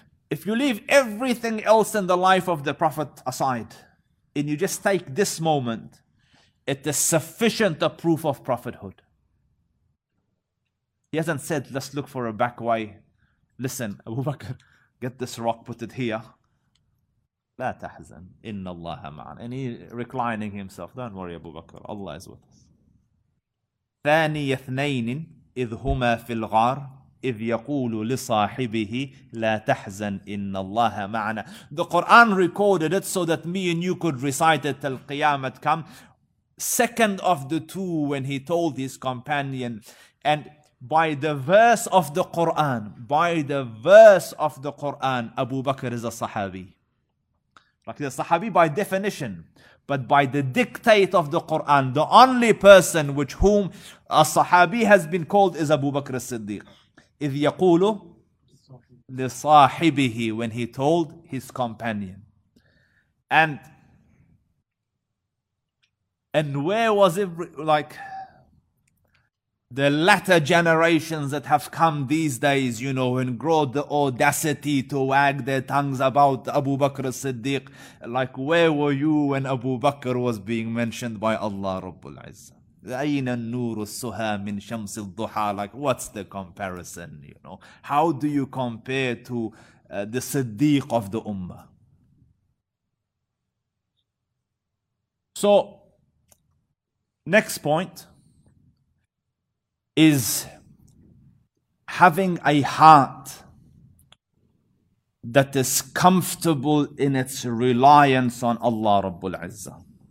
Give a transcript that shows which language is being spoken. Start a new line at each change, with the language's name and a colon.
English: If you leave everything else in the life of the Prophet aside, and you just take this moment, it is sufficient a proof of prophethood. He hasn't said, let's look for a back way. Listen, Abu Bakr, get this rock, put it here.
Arabic: لا تحزن إن الله معنا.
English: And he reclining himself. Don't worry, Abu Bakr. Allah is with us.
Arabic: ثاني اثنين إذ هما في الغار إذ يقول لصاحبه لا تحزن إن الله معنا.
English: The Quran recorded it so that me and you could recite it till Qiyamah come. Second of the two when he told his companion. And by the verse of the Quran, by the verse of the Quran, Abu Bakr is a Sahabi. Like the Sahabi by definition, but by the dictate of the Quran, the only person which whom a Sahabi has been called is Abu Bakr as-Siddiq.
Arabic: إِذْ يَقُولُ لِصَاحِبِهِ,
English: when he told his companion. And where was it, like the latter generations that have come these days, you know, and grow the audacity to wag their tongues about Abu Bakr as-Siddiq. Like, where were you when Abu Bakr was being mentioned by Allah Rabbul Izzah?
Arabic: أَيْنَ النُّورُ السُّهَى مِنْ شَمْسِ الضُّحَى.
English: Like, what's the comparison, you know? How do you compare to the Siddiq of the Ummah? So, next point is having a heart that is comfortable in its reliance on Allah Rabbul Izzah.